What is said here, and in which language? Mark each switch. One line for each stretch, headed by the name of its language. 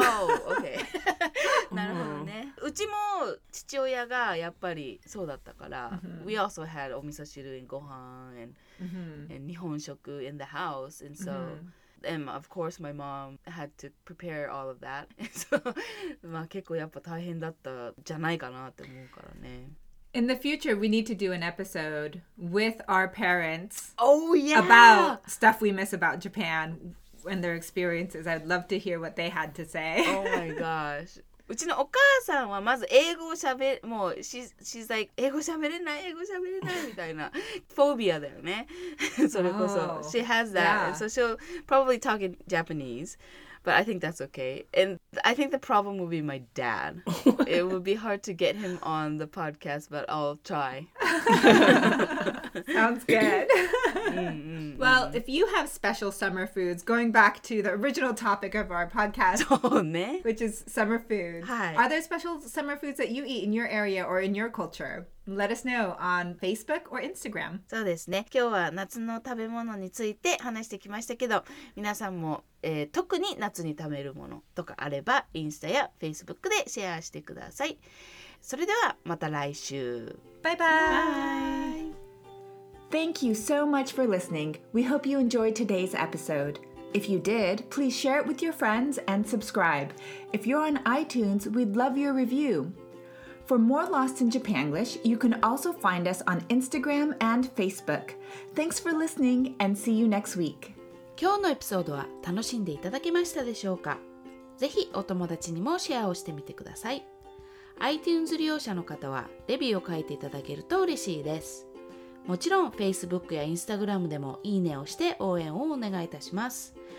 English: Oh, okay.
Japanese: なるほどね。うちも父親がやっぱりそうだったから、
English: We also had
Japanese: お味噌汁and ご飯
English: and, and
Japanese: 日本食
English: in the house. And so, and of course, my mom had to prepare all of that. So,
Japanese: まあ結構やっぱ大変だったじゃないかなって思うからね。
English: In the future, we need to do an episode with our parents about stuff we miss about Japan. And their experiences. I'd love to hear what they had to say. Oh my gosh.
Japanese: うちのお母さんはまず英語をしゃべもう
English: she's like
Japanese: 英語しゃべれない英語しゃべれないみたいなフォービアだよね。それこそ
English: she has that. Yeah. So she'll probably talk in Japanese. But I think that's okay. And I think the problem will be my dad. It would be hard to get him on the podcast, but I'll try. Sounds good. Well, if you have special summer foods, going back to the original topic of our podcast, which is summer foods, are there special summer foods that you eat in your area or in your culture? Let us know on Facebook or Instagram.
Japanese: そうですね。今日は夏の食べ物について話してきましたけど、皆さんも、特に夏に食べるものとかあれば、インスタや Facebook でシェアしてください。それではまた来週。バイバイ。
English: Thank you so much for listening. We hope you enjoyed today's episode. If you did, please share it with your friends and subscribe. If you're on iTunes, we'd love your review. For more Lost in Japanglish, you can also find us on Instagram and Facebook. Thanks for listening and see you next week.
Japanese: 今日のエピソードは楽しんでいただけましたでしょうか?ぜひお友達にもシェアをしてみてください。 iTunes 利用者の方はレビューを書いていただけると嬉しいです。もちろん Facebook や Instagram でもいいねをして応援をお願いいたします。